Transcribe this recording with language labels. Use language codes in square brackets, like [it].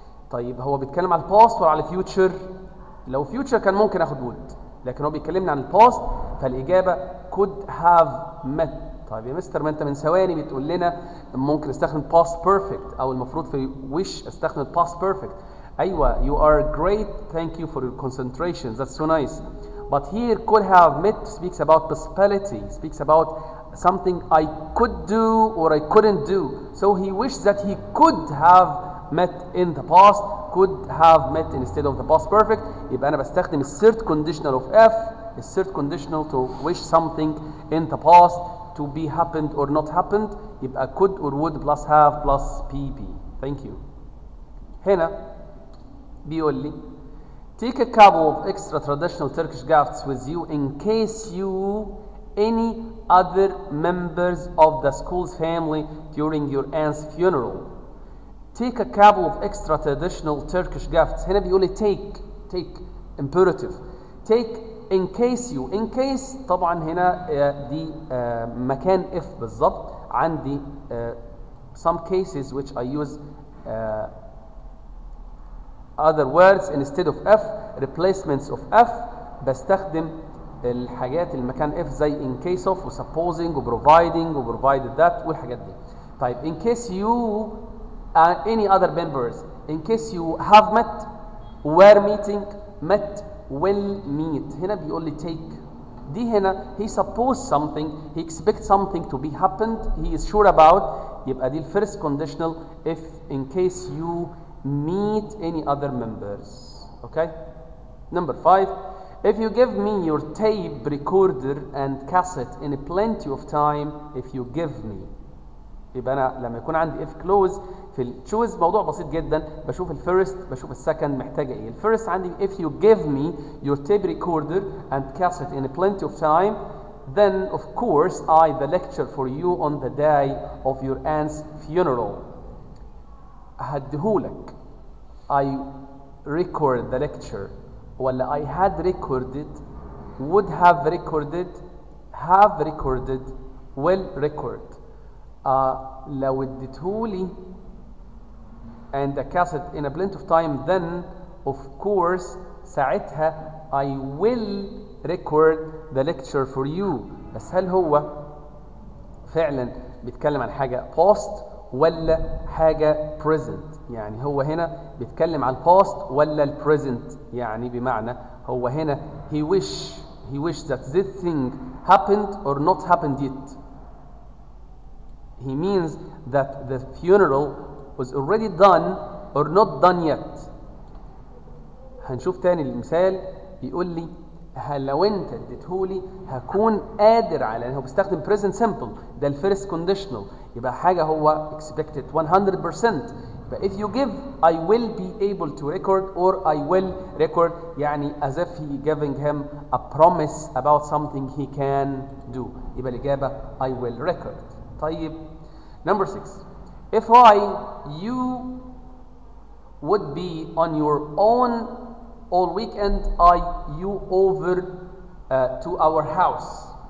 [ar] طيب هو بيتكلم على past ولا على future؟ لو future كان ممكن اخد would لكن هو بيتكلمني عن past فالاجابه could have met. طيب يا مستر ما انت من ثواني بتقول لنا ممكن استخدم past perfect او المفروض في wish استخدم past perfect. [en] ايوه you are great thank you for your concentration that's so nice but here could have met speaks about possibility speaks about something I could do or I couldn't do. So he wished that he could have met in the past, could have met instead of the past perfect. [ar] يبقى أنا بستخدم [en] assert conditional of F, assert conditional to wish something in the past to be happened or not happened. يبقى could or would plus have plus PP. Thank you. [ar] هنا بيقول لي [en] take a couple of extra traditional Turkish gifts with you in case you any other members of the school's family during your aunt's funeral. Take a couple of extra traditional Turkish gifts. [ar] هنا بيقول لي take imperative. [en] Take in case you. [ar] In case طبعا هنا دي مكان if بالظبط. [en] عندي some cases which I use other words instead of if, replacements of if, [ar] بستخدم الحاجات المكان اف زي [en] in case of و supposing و providing و provided that والحاجات دي. طيب in case you any other members in case you have met were meeting met will meet. [ar] هنا بيقول لي [en] take [ar] دي هنا [en] he supposed something he expects something to be happened he is sure about. [ar] يبقى دي الفيرست [en] conditional if in case you meet any other members. Okay. Number five. If you give me your tape recorder and cassette in plenty of time, if you give me. [ar] يبقى أنا لما يكون عندي [en] if clause [ar] في التشوز موضوع بسيط جدا، بشوف الفيرست بشوف السكند محتاجه ايه. الفيرست عندي [en] if you give me your tape recorder and cassette in plenty of time then of course I the lecture for you on the day of your aunt's funeral. هديهولك I record the lecture ولا I had recorded would have recorded have recorded will record. [ar] لو اديتهولي [en] and the cassette in a plenty of time then of course [ar] ساعتها [en] I will record the lecture for you. [ar] بس هل هو فعلا بيتكلم عن حاجة past ولا حاجة present؟ يعني هو هنا بيتكلم عن past ولا present؟ يعني بمعنى هو هنا [en] he wish that this thing happened or not happened yet. He means that the funeral was already done or not done yet. [ar] هنشوف تاني المثال بيقول لي هل لو انت اديتهولي هكون قادر على، يعني هو بيستخدم present simple ده الفيرست conditional يبقى حاجة هو expected 100%. [en] يبقى if you give I will be able to record or I will record يعني as if he giving him a promise about something he can do. [ar] يبقى الإجابة [en] I will record. طيب number 6 if I you would be on your own all weekend I you over to our house.